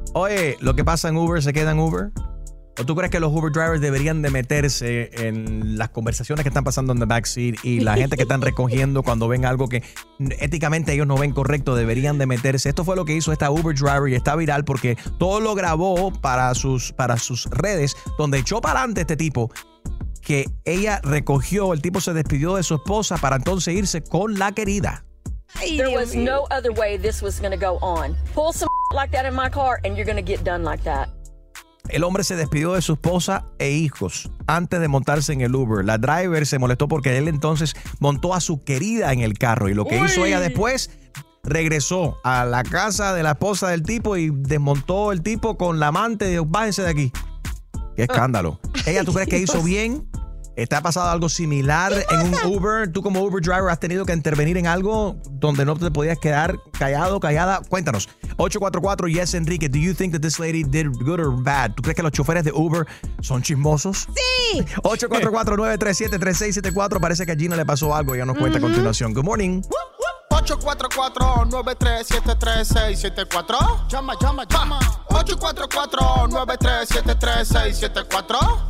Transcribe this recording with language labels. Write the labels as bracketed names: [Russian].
[Spanish] Oye, ¿lo que pasa en Uber se queda en Uber? ¿O tú crees que los Uber drivers deberían de meterse en las conversaciones que están pasando en [English] the backseat [Spanish] y la gente que están recogiendo cuando ven algo que éticamente ellos no ven correcto? Deberían de meterse. Esto fue lo que hizo esta Uber driver y está viral porque todo lo grabó para sus redes, donde echó para adelante este tipo que ella recogió. El tipo se despidió de su esposa para entonces irse con la querida. [English] There was no other way this was going to go on. Pull some like that in my car and you're going to get done like that. [Spanish] El hombre se despidió de su esposa e hijos antes de montarse en el Uber. La driver se molestó porque él entonces montó a su querida en el carro. Y lo que hizo ella después, regresó a la casa de la esposa del tipo y desmontó el tipo con la amante. Dijo, bájense de aquí. ¡Qué escándalo! ¿Ella, tú crees que hizo bien? ¿Te ha pasado algo similar en un Uber? ¿Tú como Uber driver has tenido que intervenir en algo donde no te podías quedar callado, callada? Cuéntanos. [English] 844-YES Enrique, do you think that this lady did good or bad? [Spanish] ¿Tú crees que los choferes de Uber son chismosos? ¡Sí! 844-937-3674. Parece que a Gina le pasó algo. Ella nos cuenta a continuación. [English] Good morning. 844-937-3674. [Spanish] Llama. 844-937-3674.